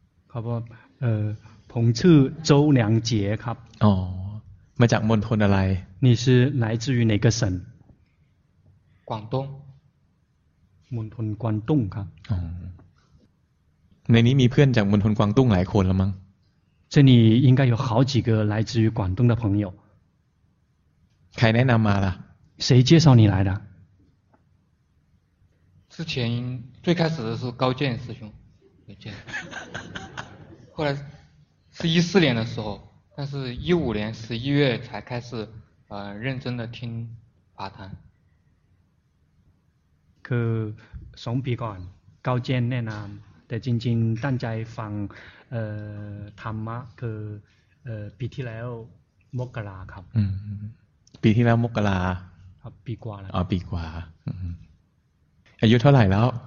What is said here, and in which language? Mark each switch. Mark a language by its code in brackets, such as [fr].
[th] ครับผมชื่อ周良杰ครับ อ๋อมาจากมณฑลอะไร [zh] 你是来自于哪个省广东 [th] มณฑล广东ครับ ในนี้มีเพื่อนจากมณฑล广东หลายคนแล้วมั้ง [zh] 这里应该有好几个来自于广东的朋友 [th] ใครแนะนำมาล่ะ [zh] 谁介绍你来的之前最开始的是高健师兄有见后来是14年的时候但是15年11月才开始认真的听法坛 [th] คือ2ปีก่อนเก้าเจนแนะนำแต่จริงๆตั้งใจฟังธรรมะคือปีที่แล้วมกราครับ ปีที่แล้วมกรา ครับปีกว่า แล้วอ๋อปีกว่าอายุเท่าไหร่แล้ว